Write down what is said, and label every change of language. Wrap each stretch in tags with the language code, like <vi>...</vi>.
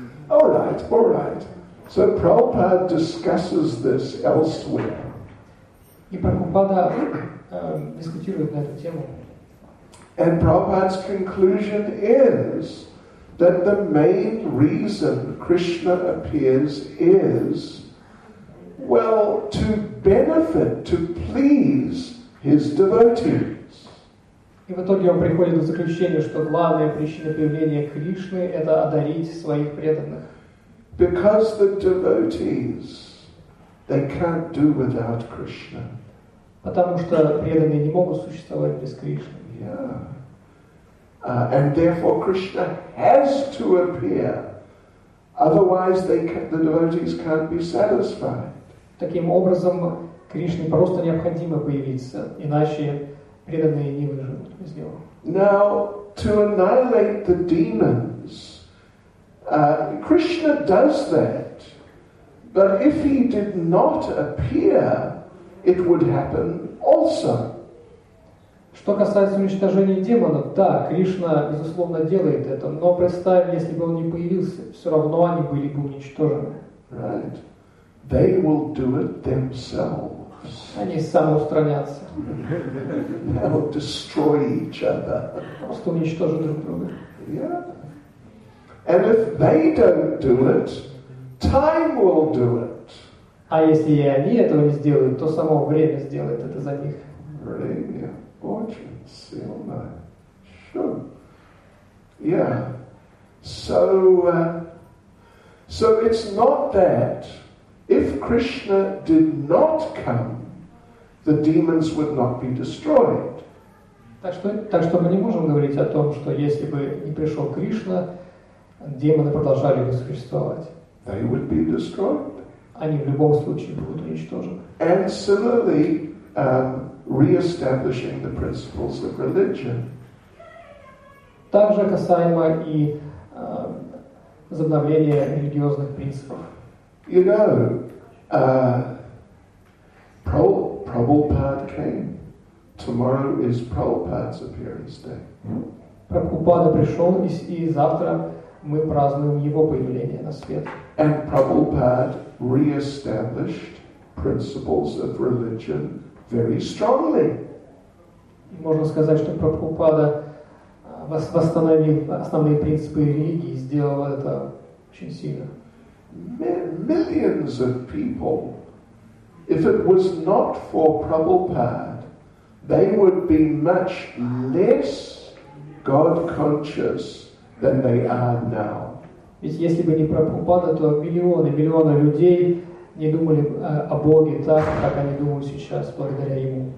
<en>All right. So Prabhupada discusses this elsewhere.</en> <ru>И Прабхупада дискутирует на эту тему.</ru> <en>And Prabhupada's conclusion is that the main reason Krishna appears is, well, to benefit, to please his devotees.</en> <ru>И в итоге он приходит к заключению, что главная причина появления Кришны – это одарить своих преданных.</ru> <en>Because the devotees, they can't do without Krishna.</en> <ru>Потому что преданные не могут существовать без Кришны.</ru> <en>And therefore Krishna has to appear, otherwise the devotees can't be satisfied.</en> <ru>Таким образом, Кришне просто необходимо появиться, иначе преданные не выживут без него.</ru> <en>Now, to annihilate the demons, Krishna does that, but if he did not appear, it would happen also.</en> <ru>Что касается уничтожения демонов, да, Кришна, безусловно, делает это, но представим, если бы он не появился, все равно они были бы уничтожены.</ru> <en>Right. They will do it themselves.</en> <ru>Они самоустранятся.</ru> <en>They will destroy each other.</en> <ru>Просто уничтожат друг друга.</ru> <en>Yeah. And if they don't do it, time will do it.</en> <ru>А если и они этого не сделают, то само время сделает это за них. Время. Fortune, seal, no. Sure. Yeah.</ru> <en>So it's not that if Krishna did not come, the demons would not be destroyed.</en> <ru>Так что мы не можем говорить о том, что если бы не пришел Кришна, демоны продолжали бы существовать.</ru> <en>They would be destroyed.</en> <ru>Они в любом случае будут уничтожены.</ru> <en>And similarly, re-establishing the principles of religion.</en> <ru>Также касаемо и возобновления религиозных принципов.</ru> <en>You know, Prabhupada came. Tomorrow is Prabhupada's appearance day.</en> <ru>Прабхупада пришел, и завтра мы празднуем его появление на свет.</ru> <en>And Prabhupada re-established principles of religion very strongly.</en> <ru>Можно сказать, что Прабхупада восстановил основные принципы религии и сделал это очень сильно.</ru> <en>Millions of people, if it was not for Prabhupada, they would be much less God-conscious than they are now.</en> <ru>Ведь если бы не Прабхупада, то миллионы, миллионы людей не думали о Боге так, как они думают сейчас, благодаря Ему.</ru>